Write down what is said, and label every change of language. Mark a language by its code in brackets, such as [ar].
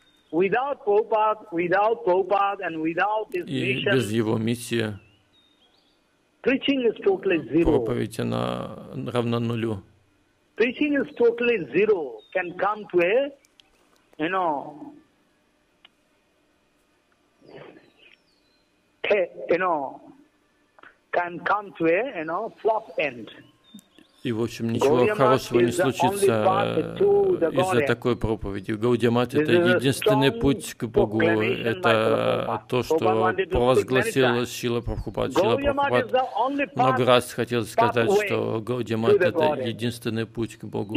[en] Without Prabhupada, without Prabhupada, and without his mission, [ru] и без его миссии, [en] preaching is totally zero. [ru] Проповедь, она равна нулю. [en] Preaching is totally zero. Can come to a, you know, can come to a, you know, flop end. [ru] И, в общем, ничего хорошего не случится из-за такой проповеди. Гаудия-мат — это единственный путь к Богу. Это то, что провозгласил Шрила Прабхупада. Шрила Прабхупада много раз хотел сказать, что Гаудия-мат — это единственный путь к Богу.